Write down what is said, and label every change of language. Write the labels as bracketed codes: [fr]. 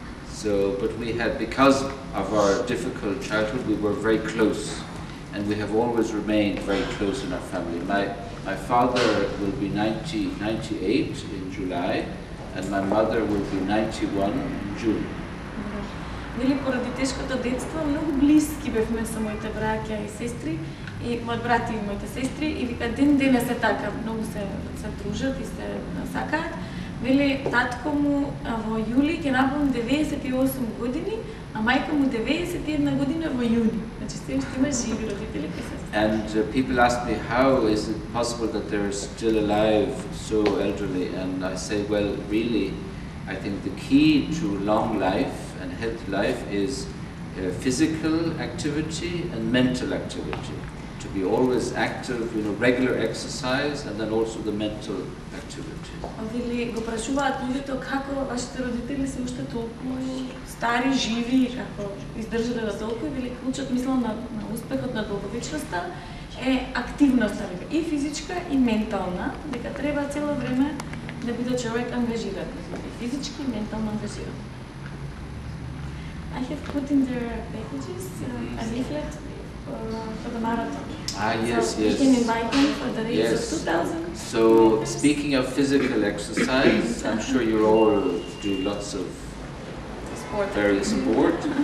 [en] So, but we had, because of our difficult childhood, we were very close. And we have always remained very close in our family. My father will be 98 in July, and my mother will be 91 in June. [mk] Нели поради тешкото детство многу блиски бевме со моите браќа и сестри и мојот брат и моите сестри и вика ден денес е така, многу се дружат и се сакаат. Вели татко му во јули ќе наполни 98 години, а мајка му 91 година во јуни. Значи се уште има живи родители кај се. [en] And people ask me how is it possible that they're still alive so elderly, and I say, well, really, I think the key to long life and healthy life is physical activity and mental activity. To be always active, you know, regular exercise, and then also the mental activity. [mk] Вели го прашуваат луѓето како вашите родители се уште толку стари, живи, како издржале до толку, и вели клучот, мислам, на успехот, на долговечноста е активноста, и физичка, и ментална, дека треба цело време да биде човек ангажиран, физички и ментално ангажиран. [en] I have put in their packages a leaflet for the marathon. Ah, yes, So, you can invite them for the race of 2000. So, speaking of physical exercise, I'm sure you all do lots of various sport.